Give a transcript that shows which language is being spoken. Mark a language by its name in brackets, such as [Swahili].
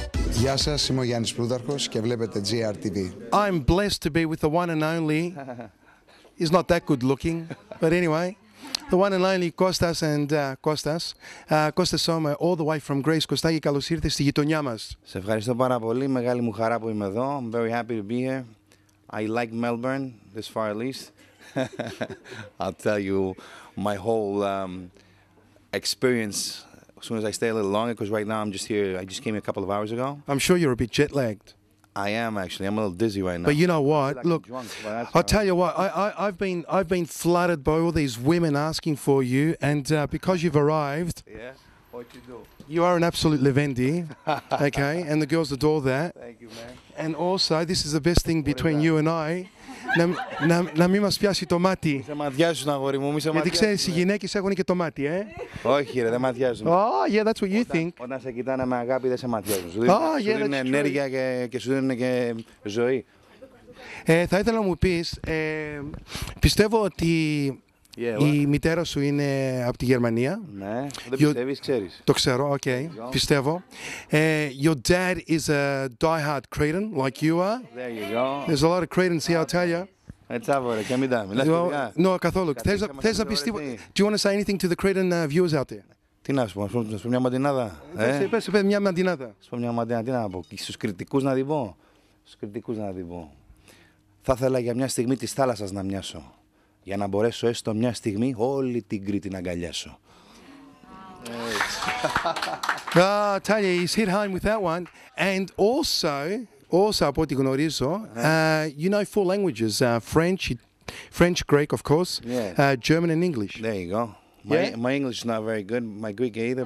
[Greek] Γεια σας, είμαι ο Γιάννης Πλούδαρχος και βλέπετε GRTV. [English] I'm blessed to be with the one and only. He's not that good looking, but anyway, the one and only Kostas and Kostas. Kostas Sommer, all the way from Greece. [Greek] Kostaki, καλώς ήρθες στη γειτονιά μας. Σε ευχαριστώ πάρα πολύ. Μεγάλη μου χαρά που είμαι εδώ. [English] I'm very happy to be here. I like Melbourne, this far at least. I'll tell you my whole experience as soon as I stay a little longer, because right now I'm just here. I just came here a couple of hours ago. I'm sure you're a bit jet-lagged. I am, actually. I'm a little dizzy right now. But you know what? Like, look, I'll tell you what. I've been flooded by all these women asking for you, and because you've arrived, yeah. What you do? You are an absolute levendi, okay? And the girls adore that. Thank you, man. And also, this is the best thing between you and I. [Greek] Να μην μας πιάσει το μάτι. Μη σε ματιάζουν, αγόρι μου, μη σε ματιάζουν. Γιατί ξέρεις, οι γυναίκες έχουν και το μάτι, ε. Όχι ρε, δεν ματιάζουν. [English] Oh, yeah, that's what you think. [Greek] Όταν σε κοιτάνε με αγάπη, δεν σε ματιάζουν. [English] Oh, yeah, that's true. [Greek] Σου δίνουν ενέργεια και σου δίνουν και ζωή. Θα ήθελα να μου πεις, πιστεύω ότι η μητέρα σου είναι από τη Γερμανία. Ναι, δεν πιστεύεις, ξέρεις. Το ξέρω, οκ, πιστεύω. [English] Your dad is a die-hard Cretan, like you are. There you go. There's a lot of Cretans here, I'll tell you. [Greek] Έτσι, αβόρε, και μην τα μιλάς παιδιά. No, καθόλου. Θες να πιστεύω... [English] Do you want to say anything to the Cretan viewers out there? [Greek] Τι να σου πω, να σου πω μια μαντινάδα. Πες, πες, μια μαντινάδα. Σου πω μια μαντινάδα, τι να πω. Στους κριτικούς να την πω. Στους κριτικούς να την πω. Θα ήθελα για μια στιγμή της θάλασσας να μοιάσω. Για να μπορέσω έστω μια στιγμή όλη την Κρήτη να αγκαλιάσω. [English] Ah, I tell you, he's hit home with that one. And also, [Greek] από ό,τι γνωρίζω, [English] you know four languages, French, Greek, of course, yeah. German and English. There you go. My English is not very good, my Greek either.